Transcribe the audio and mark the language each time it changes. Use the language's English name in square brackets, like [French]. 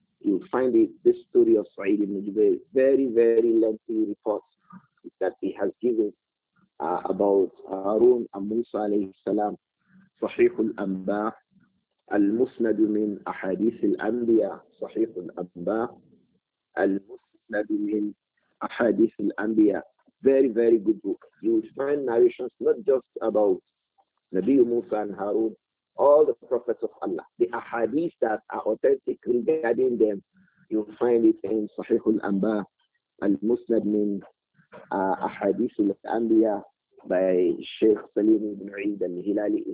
[English] You'll find it, this story of Sa'id ibn Jubair, very, very lengthy report that he has given about Harun and Musa alayhi salam. Sahih al-Anba. [Arabic] المسند من أحاديث الأنبياء صحيح الأنباء المسند من أحاديث الأنبياء [English] very very good book. You will find narrations not just about Nabi Musa and Harun, all the prophets of Allah, the ahadith that are authentic regarding them, you will find it in صحيح الأنباء المسند من أحاديث الأنبياء by Sheikh Salim ibn Eid al-Hilali.